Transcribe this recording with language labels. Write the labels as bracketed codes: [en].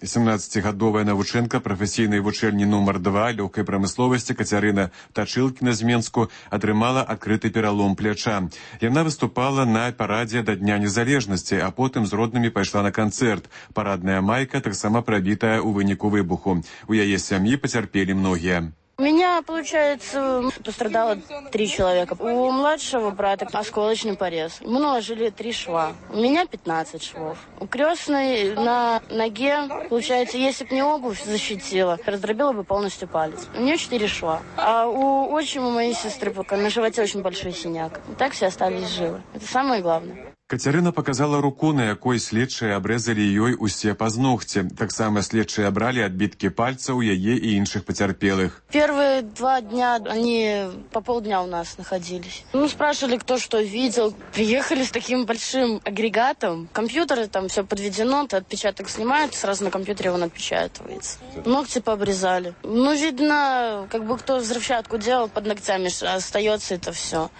[be] 17-гадовая навучэнка прафесійнай вучэльні нумар 2 лёгкай прамысловасці Кацярына Тачылкіна з Менску атрымала адкрыты пералом пляча. Яна выступала на парадзе да Дня Незалежнасці, а потым з роднымі пайшла на канцэрт. Парадная майка таксама прабітая ў выніку выбуху. У яе сям'і пацярпелі многія. [ru] У меня, получается, пострадало 3 человека. У младшего брата осколочный порез. Мы наложили 3 шва. У меня 15 швов. У крестной на ноге, получается, если бы не обувь защитила, раздробила бы полностью палец. У нее 4 шва. А у отчима моей сестры пока на животе очень большой синяк. Так все остались живы. Это самое главное. [be] Кацярына показала руку, на якой следчыя абрэзалі ёй усе пазногці. Таксама следчыя абралі адбіткі пальцаў яе і іншых пацярпелых. [ru] Первые два дня они по полдня у нас находились. Ну, спрашивали, кто что видел. Приехали с таким большим агрегатом. Компьютеры там все подведено, ты отпечаток снимают, сразу на компьютере он отпечатывается. Ногти пообрезали. Ну, видно, как бы кто взрывчатку делал, под ногтями остается это все.